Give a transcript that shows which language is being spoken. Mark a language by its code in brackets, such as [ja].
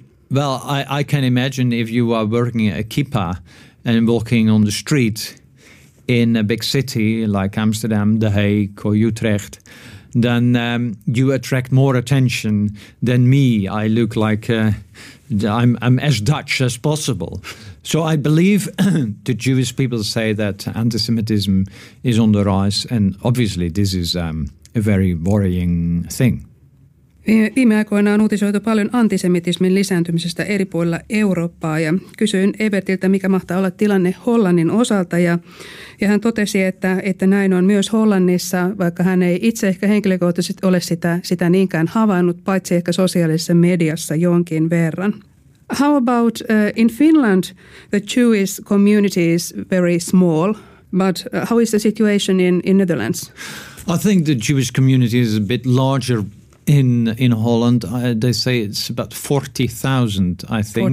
[en] But I can imagine if you are working at a kippah and walking on the street in a big city like Amsterdam, The Hague or Utrecht, then you attract more attention than me. I look like I'm as Dutch as possible. So I believe the Jewish people say that anti-Semitism is on the rise, and obviously this is a very worrying thing. [fi] Viime aikoina on uutisoitu paljon antisemitismin lisääntymisestä eri puolilla Eurooppaa, ja kysyin Evertiltä, mikä mahtaa olla tilanne Hollannin osalta, ja hän totesi, että näin on myös Hollannissa, vaikka hän ei itse ehkä henkilökohtaisesti ole sitä niinkään havainnut, paitsi ehkä sosiaalisessa mediassa jonkin verran. [en] How about in Finland, the Jewish community is very small, but how is the situation in Netherlands? I think the Jewish community is a bit larger in Holland. They say it's about 40,000, I think.